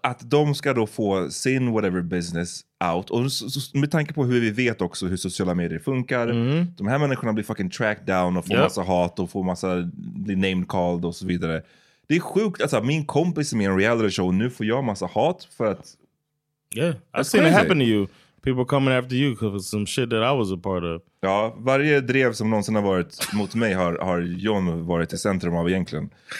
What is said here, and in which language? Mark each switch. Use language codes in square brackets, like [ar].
[sv] Att de ska då få sin [en] whatever business out. [sv] Och med tanke på hur vi vet också hur sociala medier funkar. Mm-hmm. De här människorna blir [en] fucking tracked down [sv] och får massa hat och får massa bli [en] named called [sv] och så vidare. Det är sjukt. Alltså, min kompis är med i en reality show och nu får jag massa hat för att... [en] Yeah, I've seen it happen to you. People coming after you because of some shit that I was a part of. [sv] Ja, varje drev som någonsin har varit mot mig har John varit i centrum av egentligen.